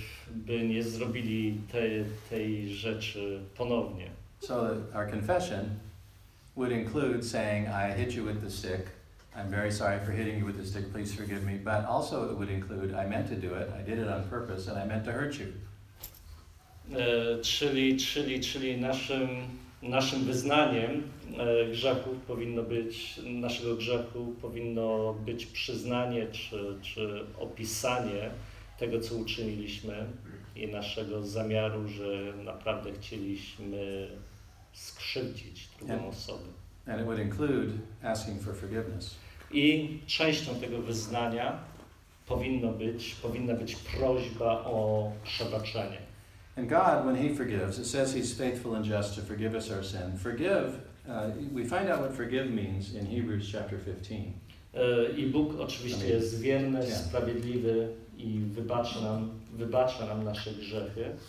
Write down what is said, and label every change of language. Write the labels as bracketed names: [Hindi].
[Polish] By nie zrobili tej rzeczy ponownie. [English] So our confession would include saying, I hit you with the stick. I'm very sorry for hitting you with the stick. Please forgive me. But also it would include, I meant to do it. I did it on purpose and I meant to hurt you. [Polish] Czyli naszym wyznaniem grzechów powinno być, naszego grzechu powinno być przyznanie czy opisanie tego, co uczyniliśmy i naszego zamiaru, że naprawdę chcieliśmy skrzywdzić drugą osobę. [English] And it would include asking for forgiveness. [Polish] I częścią tego wyznania powinna być prośba o przebaczenie. [English] And God, when He forgives, it says He's faithful and just to forgive us our sin. Forgive, we find out what forgive means in Hebrews chapter 15. [Polish] I Bóg oczywiście jest wierny, sprawiedliwy i wybacza nam nasze grzechy.